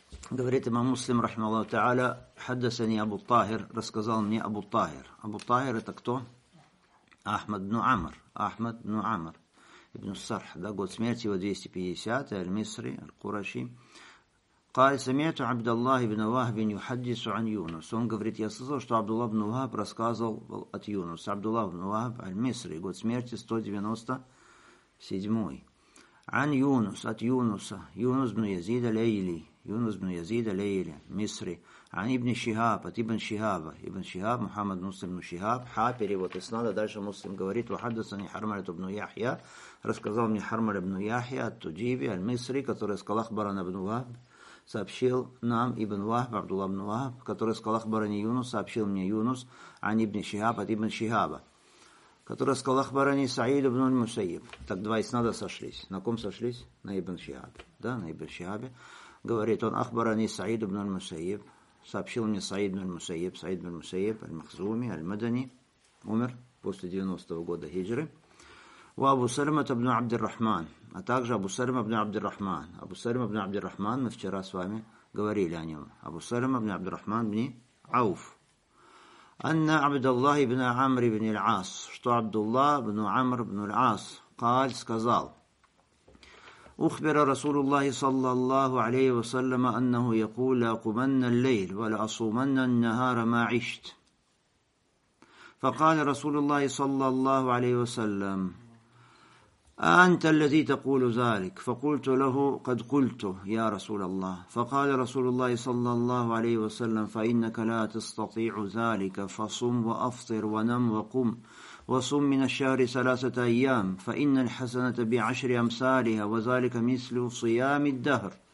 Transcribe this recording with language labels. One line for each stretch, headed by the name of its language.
Russian: Говорит имам Муслим,
Arabic: рахмаллаху та'аля, хаддасани Абу Тахир,
Russian: рассказал мне Абу Тахир. Абу Тахир это кто? Ахмад ибн Амр. Ахмад ибн Амр. Ибн Сарх. Да, год смерти его 250-й, Аль-Мисри, Аль-Кураши.
Arabic: قال سمعت عبد الله بن وهب يحدث عن يونس.
Russian: Он говорит, я слышал, что Абдулла ибн Вахб рассказывал от Юнуса. Абдулла ибн Вахб аль-Мисри, год смерти 197.
Arabic: عن يونس,
Russian: от Юнуса. Юнус ибн Язид аль-Лейли. Юнус ибн Язид аль-Лейли, Мисри.
Arabic: عن ابن شهاب,
Russian: от ибн Шихаба. Ибн Шихаб, Мухаммад Муслим ибн Шихаб. Ха, перевод из Снада. Дальше Муслим говорит,
Arabic: وحدثني حرملة ابن يحيى.
Russian: Рассказал мне حرملة ابن يحيى от Туджиби аль-Мисри, который сказал
Arabic: أخبرنا ابن وهب.
Russian: Сообщил нам Ибн Вахб, Абдулла ибн Вахб, который сказал
Arabic: Ахбарани Юнус,
Russian: сообщил мне Юнус,
Arabic: ан ибн Шихаб,
Russian: от ибн Шихаба, который сказал
Arabic: Ахбарани Саид ибн Мусаиб.
Russian: Так два иснада сошлись. На ком сошлись? На ибн Шихабе. Да, на ибн Шихабе. Говорит он,
Arabic: Ахбарани Саид ибн Мусаиб,
Russian: сообщил мне Саид ибн Мусаиб, Саид ибн Мусаиб, аль-Махзуми, аль-Мадани, умер после 90-го года хиджры. У Абу Сальма ибн Абдир-Рахман. А также Абу Сальма ибн Абдир-Рахман. Абу Сальма ибн Абдир-Рахман, мы вчера с вами говорили о нем. Абу Сальма ибн Абдир-Рахман ибн Ауф.
Arabic: Анна Абдуллах ибн Амр ибн Аль-Ас.
Russian: Что Абдуллах ибн Амр ибн Аль-Ас
Arabic: قال,
Russian: сказал.
Arabic: Ухбира Расулуллахи саллаллаху алейхи вассаляма аннаху якул лакуманна лейл вал асуманна нахара ма ишт. Факал Расулуллахи саллаллаху алейхи вассалям. أنت الذي تقول ذلك فقلت له قد قلت يا رسول الله فقال رسول الله صلى الله عليه وسلم فإنك لا تستطيع ذلك فصم وأفطر ونم وقم وصم من الشهر ثلاثة أيام فإن الحسنة بعشر أمثالها وذلك مثل صيام الدهر